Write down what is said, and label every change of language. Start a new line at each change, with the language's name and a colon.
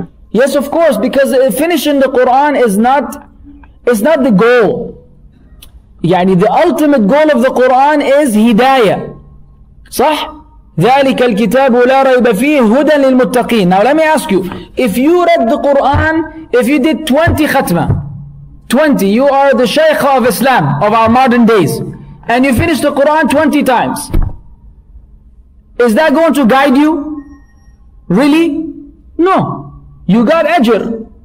English: Yes, of course, because finishing the Quran is not the goal. Yani the ultimate goal of the Quran is hidayah.
Arabic: صح؟ ذلك الكتاب لا ريب فيه هدى للمتقين.
English: Now let me ask you, if you read the Quran, if you did 20 khatma, 20, you are the Shaykh of Islam of our modern days, and you finished the Quran 20 times, is that going to guide you? Really? No. You got ajr.